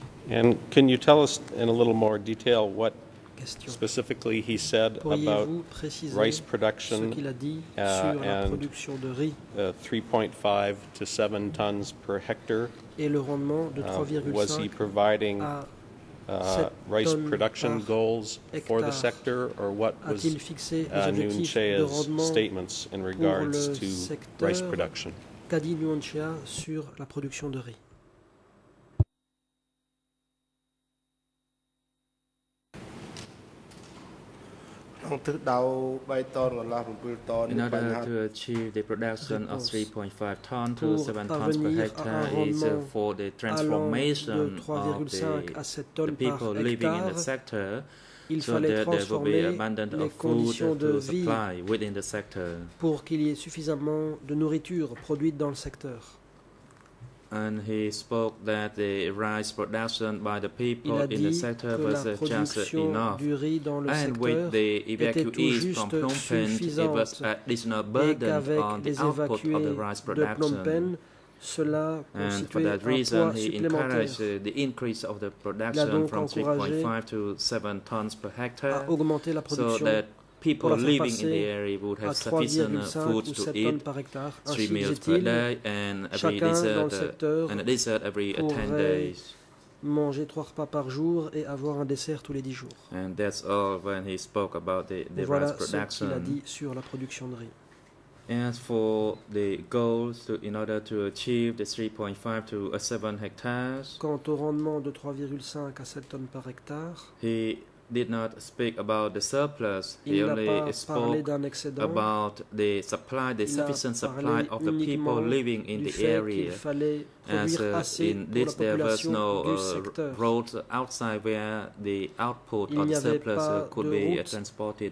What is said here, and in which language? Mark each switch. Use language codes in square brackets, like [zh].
[en] And can you tell us in a little more detail what specifically he said about rice production and 3.5 to 7 tons per hectare? [fr] Et le rendement de 3,5 [en] was he providing rice production goals for the sector, or what was Nunchea's statements in regards to rice production? [fr] Qu'a dit Nunchea sur la production de riz? [en] In order to achieve the production of 3.5 tons to 7 tons per hectare is for the transformation of the people living in the sector so that there will be abundance of food to supply within the sector. [fr] Pour qu'il y ait suffisamment de nourriture produite dans le secteur. [en] And he spoke that the rice production by the people in the sector was just enough. And with the evacuees from Phnom Penh, it was an additional burden on the output of the rice production. And for that reason, he encouraged the increase of the production from 3.5 to 7 tons per hectare so that people living in the area would have sufficient food to eat, three meals per day, and a dessert every 10 days. [fr] Manger trois repas par jour et avoir un dessert tous les 10 jours. [en] And that's all when he spoke about the [fr] voilà [en] rice production. [fr] Ce qu'il a dit sur la production de riz. [en] As for the goals to, in order to achieve the 3.5 to 7 hectares, [fr] quant au rendement de 3,5 à 7 tonnes par hectare, [en] he did not speak about the surplus. He only spoke about the supply, the sufficient supply of the people living in the area. As in this, there was no road outside where the output of the surplus could be transported